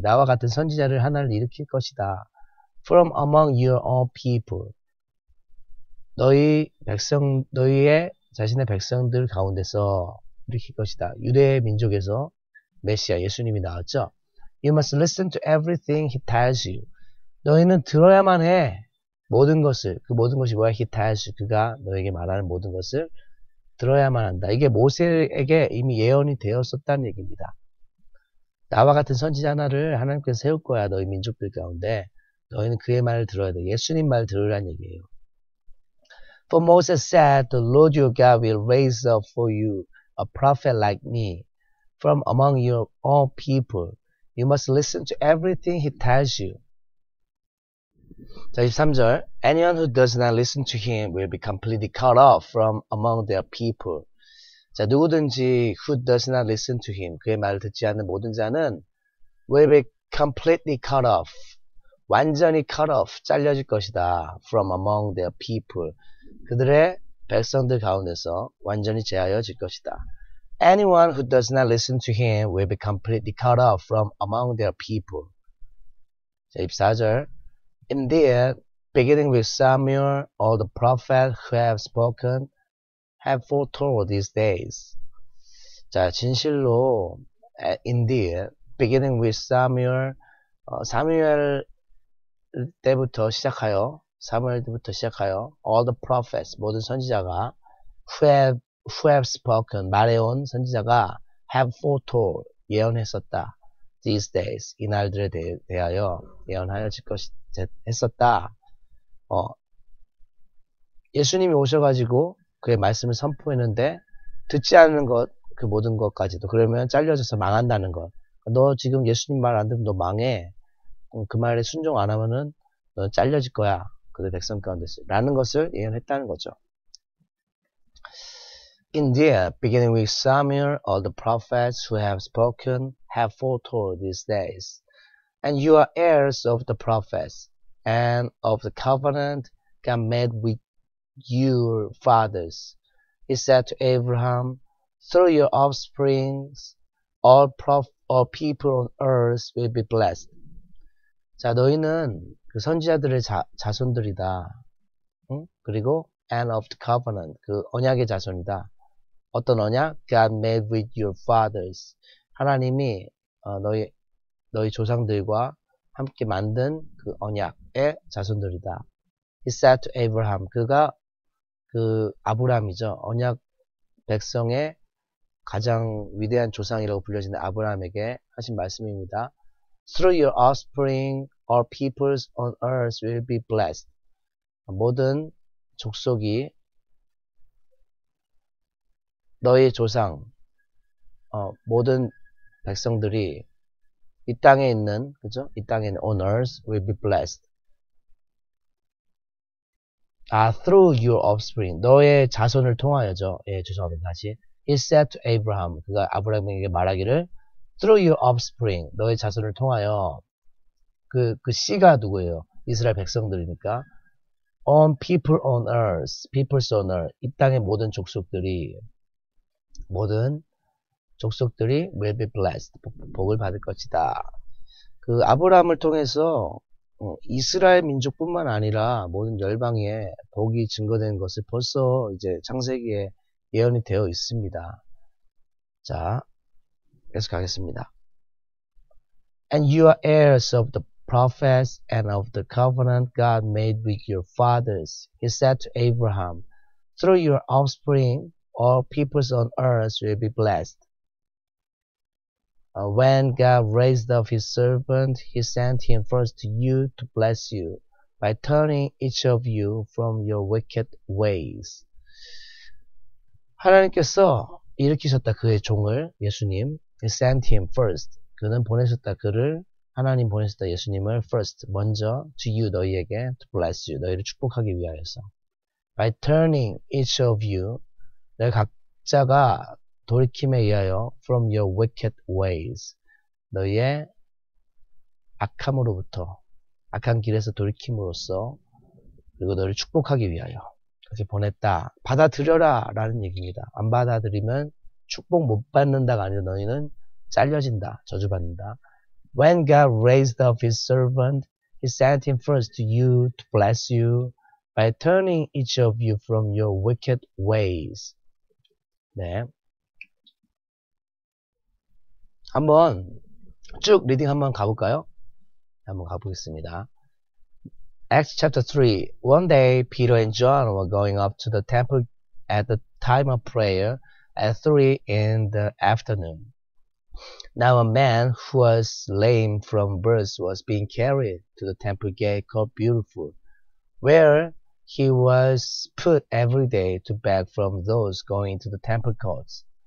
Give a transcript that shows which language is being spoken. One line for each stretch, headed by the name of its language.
Korean: 나와 같은 선지자를 하나를 일으킬 것이다.
English: From among your own people.
Korean: 너희의 자신의 백성들 가운데서 일으킬 것이다. 유대 민족에서 메시아 예수님이 나왔죠.
English: You must listen to everything he tells you.
Korean: 너희는 들어야만 해. 모든 것을. 그 모든 것이 뭐야?
English: He tells you.
Korean: 그가 너에게 말하는 모든 것을 들어야만 한다. 이게 모세에게 이미 예언이 되었었다는 얘기입니다. 나와 같은 선지자 하나를 하나님께서 세울 거야. 너희 민족들 가운데. 너희는 그의 말을 들어야 돼. 예수님 말을 들으라는 얘기예요.
English: For Moses said, The Lord your God will raise up for you a prophet like me from among your own people. You must listen to everything he tells you.
Korean: 자, 23절.
English: Anyone who does not listen to him will be completely cut off from among their people.
Korean: 자, 누구든지
English: who does not listen to him,
Korean: 그의 말을 듣지 않는 모든 자는
English: will be completely cut off.
Korean: 완전히
English: cut off,
Korean: 잘려질 것이다.
English: From among their people.
Korean: 그들의 백성들 가운데서 완전히 제하여질 것이다.
English: Anyone who does not listen to him will be completely cut off from among their people.
Korean: 자, 24절.
English: Indeed, beginning with Samuel, all the prophets who have spoken have foretold these days.
Korean: 자, 진실로,
English: indeed, beginning with Samuel,
Korean: 사무엘 때부터 시작하여 사무엘 때부터 시작하여
English: all the prophets
Korean: 모든 선지자가
English: who have spoken
Korean: 말해온 선지자가
English: have foretold
Korean: 예언했었다
English: these days
Korean: 이날들에 대하여 예언하여질 것이 했었다 예수님이 오셔가지고 그의 말씀을 선포했는데 듣지 않는 것그 모든 것까지도 그러면 잘려져서 망한다는 것너 지금 예수님 말안 들으면 너 망해 그 말에 순종 안 하면은 너 잘려질 거야. 그들 백성 가운데서 라는 것을 예언했다는 거죠.
English: Indeed, beginning with Samuel, all the prophets who have spoken have foretold these days. And you are heirs of the prophets and of the covenant God made with your fathers. He said to Abraham, Through your offsprings, all people on earth will be blessed.
Korean: 자, 너희는 그 선지자들의 자손들이다. 응? 그리고
English: and of the covenant
Korean: 그 언약의 자손이다. 어떤 언약?
English: God made with your fathers.
Korean: 하나님이 너희 조상들과 함께 만든 그 언약의 자손들이다.
English: He said to Abraham.
Korean: 그가 그 아브라함이죠. 언약 백성의 가장 위대한 조상이라고 불려지는 아브라함에게 하신 말씀입니다.
English: Through your offspring, all peoples on earth will be blessed.
Korean: 모든 족속이 너의 조상, 모든 백성들이 이 땅에 있는, 그죠? 이 땅에 있는
English: on earth will be blessed.
Korean: 아,
English: through your offspring,
Korean: 너의 자손을 통하여죠. 예, 죄송합니다. 다시.
English: He said to Abraham,
Korean: 그가 아브라함에게 말하기를
English: Through your offspring,
Korean: 너의 자손을 통하여, 그 씨가 누구예요? 이스라엘 백성들이니까.
English: On people on earth, peoples on earth,
Korean: 이 땅의 모든 족속들이, 모든 족속들이
English: will be blessed,
Korean: 복을 받을 것이다. 그 아브라함을 통해서 이스라엘 민족뿐만 아니라 모든 열방에 복이 증거된 것을 벌써 이제 창세기에 예언이 되어 있습니다. 자, 계속 가겠습니다.
English: And you are heirs of the prophets and of the covenant God made with your fathers. He said to Abraham, through your offspring, all peoples on earth will be blessed. When God raised up his servant, he sent him first to you to bless you by turning each of you from your wicked ways.
Korean: 하나님께서 일으키셨다, 그의 종을, 예수님.
English: He sent him first.
Korean: 그는 보내셨다, 그를. 하나님 보내셨다, 예수님을.
English: First,
Korean: 먼저.
English: To you,
Korean: 너희에게.
English: To bless you,
Korean: 너희를 축복하기 위하여서.
English: By turning each of you,
Korean: 너희 각자가 돌이킴에 의하여
English: from your wicked ways,
Korean: 너희의 악함으로부터, 악한 길에서 돌이킴으로써 그리고 너희를 축복하기 위하여 그렇게 보냈다. 받아들여라 라는 얘기입니다. 안 받아들이면 축복 못 받는다가 아니라 너희는 잘려진다, 저주받는다.
English: When God raised up his servant, he sent him first to you to bless you by turning each of you from your wicked ways.
Korean: 네. 한번 쭉 리딩 한번 가볼까요? 한번 가보겠습니다.
English: Acts chapter 3. One day, Peter and John were going up to the temple at the time of prayer at 3 in the afternoon. Now a man who was lame from birth was being carried to the temple gate called Beautiful, where he was put every day to beg from those going to the temple courts.